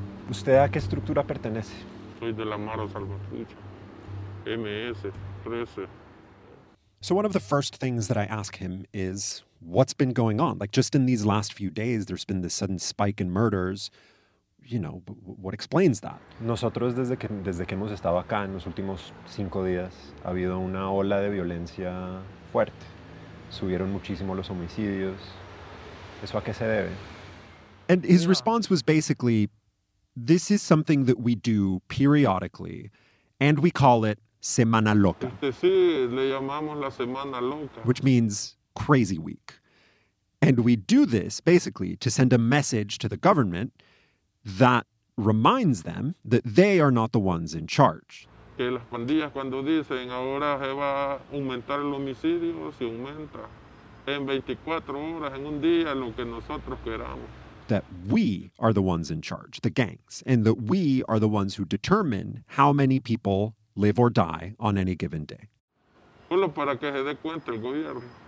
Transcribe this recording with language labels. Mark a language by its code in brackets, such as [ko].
[es] ¿Usted a qué estructura pertenece? Soy de la Mara Salvatrucha, MS-13. [en] So one of the first things that I ask him is, what's been going on? Like, just in these last few days, there's been this sudden spike in murders. You know, what explains that? [es] Nosotros, desde que hemos estado acá en los últimos 5 días, ha habido una ola de violencia fuerte. Subieron muchísimo los homicidios. ¿Eso a qué se debe? [en] And his response was basically, this is something that we do periodically, and we call it Semana Loca. [es] Sí, le llamamos la Semana Loca. [en] Which means crazy week. And we do this basically to send a message to the government that reminds them that they are not the ones in charge. [es] Que las pandillas cuando dicen ahora se va a aumentar el homicidio, se aumenta en 24 horas, en un día, lo que nosotros queramos. [en] That we are the ones in charge, the gangs, and that we are the ones who determine how many people live or die on any given day. [es] Solo para que se dé cuenta el gobierno.